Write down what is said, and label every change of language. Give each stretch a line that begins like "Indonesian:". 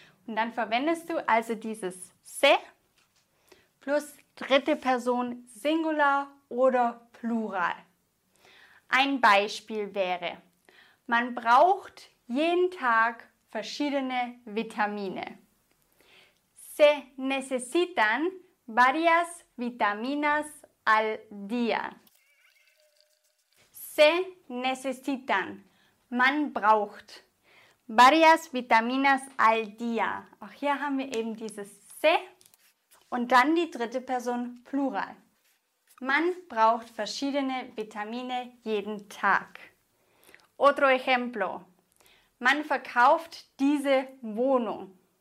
German: Und dann verwendest du also dieses se plus dritte Person Singular oder Plural. Ein Beispiel wäre: Man braucht jeden Tag verschiedene Vitamine.
Spanish: Se necesitan varias vitaminas al día. Se necesitan.
German: Man braucht
Spanish: varias vitaminas al día.
German: Auch hier haben wir eben dieses se und dann die dritte Person Plural. Man braucht verschiedene Vitamine jeden Tag.
Spanish: Otro ejemplo.
German: Man verkauft diese Wohnung.